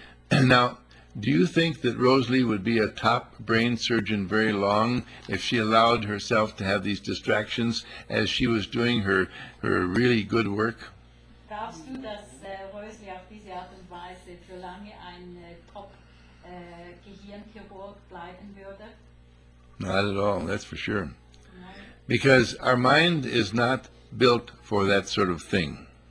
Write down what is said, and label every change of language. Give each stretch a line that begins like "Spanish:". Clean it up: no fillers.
English: Now, do you think that Rosalie would be a top brain surgeon very long if she allowed herself to have these distractions as she was doing her really good work?
German: Glaubst du, dass Rosalie auf diese Art und Weise für lange ein top Gehirnchirurg bleiben würde?
English: Not at all, that's for sure. Because our mind is not built for that sort of thing.